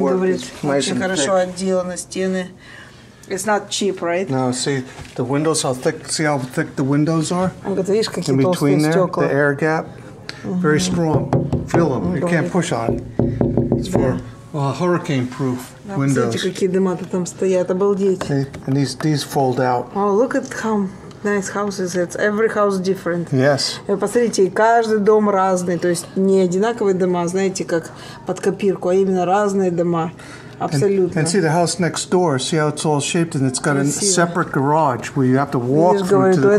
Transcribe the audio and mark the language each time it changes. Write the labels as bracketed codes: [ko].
[ru] говорит, очень хорошо отделаны стены. [en] It's not cheap, right? No, see the windows, how thick, see how thick the windows are? Он говорит, видишь, какие толстые стекла. In between there, the air gap, very strong, feel them, you can't push on. It's for... hurricane-proof windows. [ru] Смотрите, какие дыма-то там стоят. Обалдеть. [en] And these fold out. Oh, look at how nice houses. It's every house different. Yes. [ru] И посмотрите, каждый дом разный. То есть не одинаковые дома, знаете, как под копирку, а именно разные дома. Абсолютно. [en] And see the house next door. See how it's all shaped and it's got a separate garage where you have to walk through to the garage.